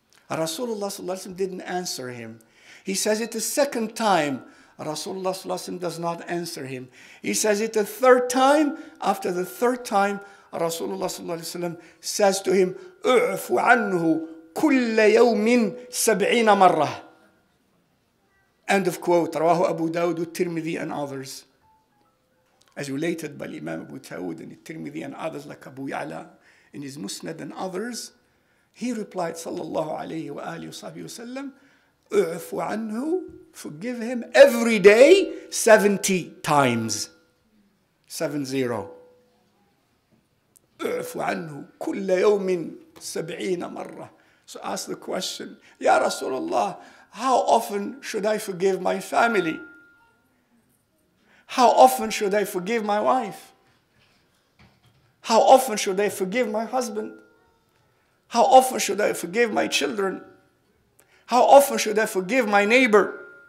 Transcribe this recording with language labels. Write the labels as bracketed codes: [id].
[en] Rasulullah sallallahu alayhi wa sallam didn't answer him. He says it a second time. Rasulullah sallallahu alayhi wa sallam does not answer him. He says it a third time. After the third time, Rasulullah sallallahu alayhi wa sallam says to him, [ar] اعفو عنه كل يوم سبعين مرة. [en] End of quote. [ar] رواه أبو داود والترمذي [en] and others. As related by Imam Abu Tawud and الترمذي and others like Abu Ya'la in his Musnad and others, he replied, [ar] صلى الله عليه وآله وصحبه وسلم, اعفو عنه, [en] forgive him every day 70 times. 70. [ar] اعفو عنه كل يوم سبعين مرة. [en] So ask the question, Ya Rasulullah, how often should I forgive my family? How often should I forgive my wife? How often should I forgive my husband? How often should I forgive my children? How often should I forgive my neighbor?